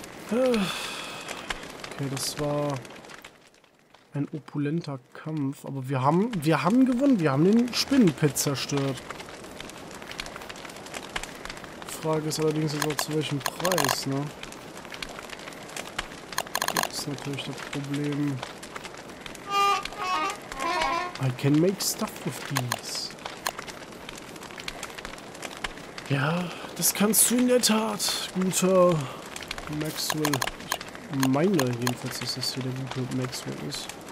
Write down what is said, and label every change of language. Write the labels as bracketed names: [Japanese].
[German] Okay, das war ein opulenter Kampf. Aber wir haben gewonnen. Wir haben den Spinnenpit zerstört. Die Frage ist allerdings jetzt auch, zu welchem Preis, ne? Das ist natürlich das Problem. [English] I can make stuff with these. [German] Ja, das kannst du in der Tat, guter Maxwell. Ich meine jedenfalls, dass das hier der gute Maxwell ist.